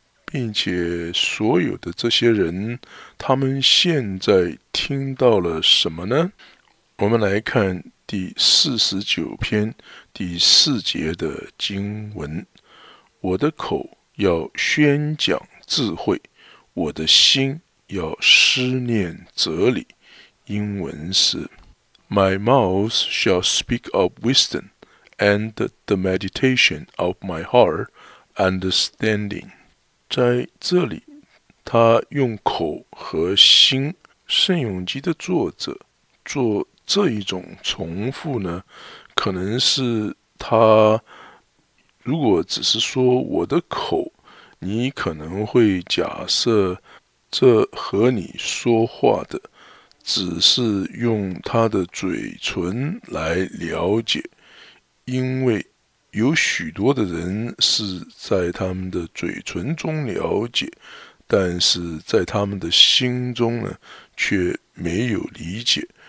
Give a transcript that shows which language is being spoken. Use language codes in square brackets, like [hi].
[zh] 并且所有的这些人，他们现在听到了什么呢？我们来看第49篇第四节的经文，我的口要宣讲智慧，我的心要思念哲理。英文是 [en] My mouth shall speak of wisdom, and the meditation of my heart understanding. [zh] 在这里他用口和心，圣咏集的作者做这一种重复呢，可能是他如果只是说我的口，你可能会假设这和你说话的只是用他的嘴唇来了解，因为有许多的人是在他们的嘴唇中了解，但是在他们的心中呢却没有理解。